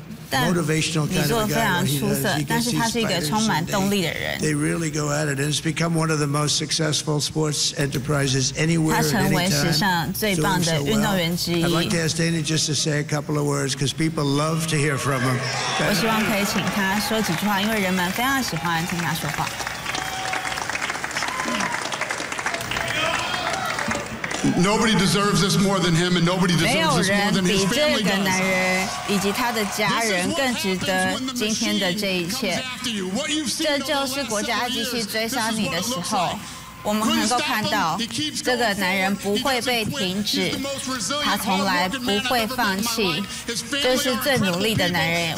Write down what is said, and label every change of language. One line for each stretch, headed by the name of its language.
Chinese: 但你做得非常出色，但是他是一个充满动力的人。
English: They really go at it, and it's become one of the most successful sports enterprises anywhere.
Chinese: 他成为史上最棒的运动员之一。
English: I'd like to ask Dana just to say a couple of words because people love to hear from him.
Chinese: 我希望可以请他说几句话，因为人们非常喜欢听他说话。
English: Nobody deserves this more than him, and nobody deserves this more than his family does.
Chinese: 没有人比这个男人以及他的家人更值得今天的这一切。这就是国家机器追杀你的时候，我们能够看到这个男人不会被停止，他从来不会放弃，这是最努力的男人。